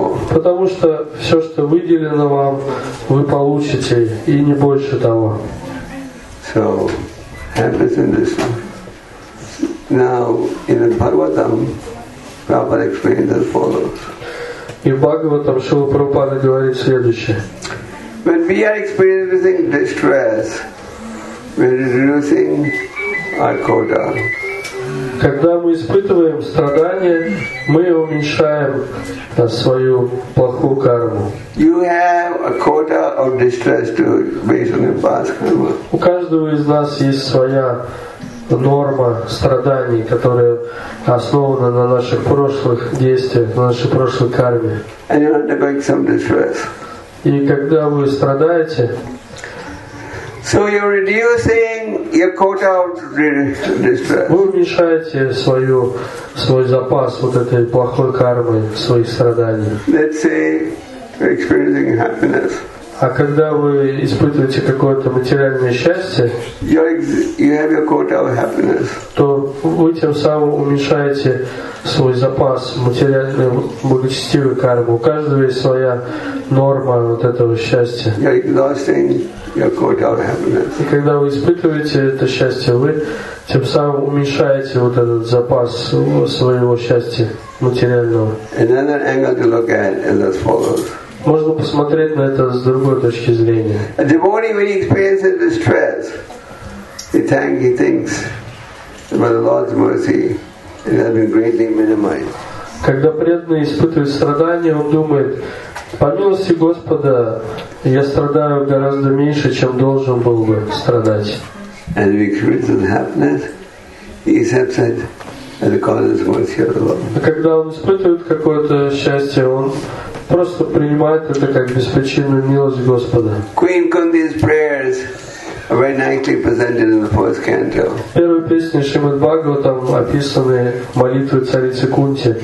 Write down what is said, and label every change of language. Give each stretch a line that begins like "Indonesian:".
Russian: Потому что все, что выделено вам, вы получите, и не больше того.
English: So, happens in this life. Now, in the Bhagavatam, Prabhupada explains as follows. In Bhagavatam,
Russian: Śrīla Prabhupāda говорит следующее.
English: When we are experiencing distress, we are reducing our quota.
Russian: Когда мы испытываем страдания, мы уменьшаем свою плохую карму.
English: You have a quota of distress too, based on your past karma.
Russian: У каждого из нас есть своя норма страданий, которая основана на наших прошлых действиях, на нашей прошлой карме.
English: And you're undergoing some distress.
Russian: И когда вы страдаете,
English: so you're reducing your quota of distress.
Russian: Вы уменьшаете свой запас вот этой плохой кармы, своих страданий.
English: Let's say you're experiencing happiness.
Russian: А когда вы испытываете какое-то материальное счастье,
English: you have your quota of happiness.
Russian: То вы тем самым уменьшаете свой запас материальной благочестивой кармы. У каждого есть своя норма вот этого счастья.
English: You're exhausting your quota of happiness.
Russian: И когда вы испытываете это счастье, вы тем самым уменьшаете вот этот запас своего счастья материального.
English: Another angle to look at is as follows.
Russian: Можно посмотреть на это с другой точки зрения.
English: A devotee, when he experiences distress, he thinks about the Lord's mercy. It has been greatly minimized.
Russian: Когда преданный испытывает страдания, он думает: по милости Господа, я страдаю гораздо меньше, чем должен был бы страдать.
English: And if he experiences happiness, he accepts it as the cause of his mercy of the Lord.
Russian: А когда он испытывает какое-то счастье, он просто принимает это как беспричинную милость Господа.
English: Queen Kunti's prayers. Very nicely presented in the first canto.
Russian: Первая песня Шримад Бхагаватам описаны молитвы царицы Кунти.